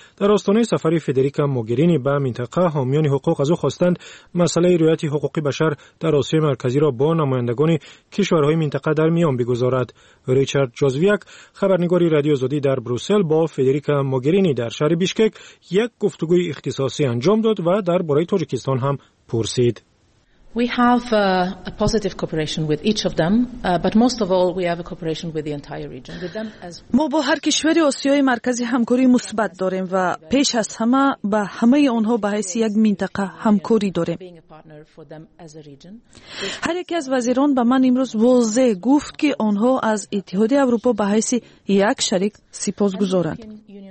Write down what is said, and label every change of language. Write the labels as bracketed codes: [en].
[fa] در آستانه سفر فدریکا موگرینی به منطقه حامیان حقوق از او خواستند مسئله رعایت حقوق بشر در آسیای مرکزی را با نمایندگان کشورهای منطقه در میان بگذارد. ریچارد جوزویک خبرنگار رادیو آزادی در بروسل با فدریکا موگرینی در شهر بیشکک یک گفتگوی اختصاصی انجام داد و در باره تاجیکستان هم پرسید. [en] We have a positive cooperation with each of them, but most of all we have a cooperation with the entire region. With them as [fa] ما با هر کشوری آسیای مرکزی همکاری مثبت داریم و پیش از همه با همه آنها به حیث یک منطقه همکاری داریم. هر یک از وزیران به من امروز واضح گفت که آنها از اتحادیه اروپا به حیث یک شریک سپاسگزارند.